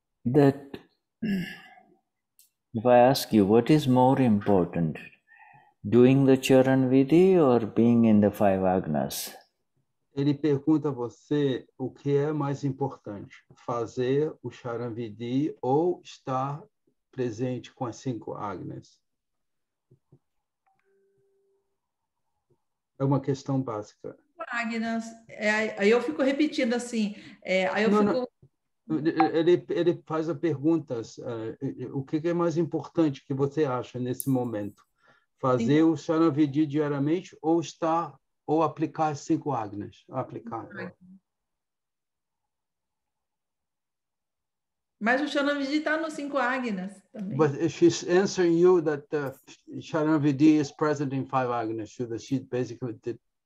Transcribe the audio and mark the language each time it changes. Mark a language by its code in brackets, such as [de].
[en] that if I ask you, what is more important, doing the Charanvidhi or being in the five agnas? [pt] Ele pergunta a você o que é mais importante, fazer o Charanvidhi ou estar presente com as cinco agnas. É uma questão básica. Agnes, aí eu fico repetindo assim, aí eu não, fico... Ele faz as perguntas, o que é mais importante que você acha nesse momento? Fazer, sim, o Sharanavidhi diariamente ou estar, ou aplicar as cinco Agnes? Aplicar. Mas o Sharanavidhi está nos cinco Agnes também. [en] But if she's answering you that Sharanavidhi is present in five Agnes, she basically did.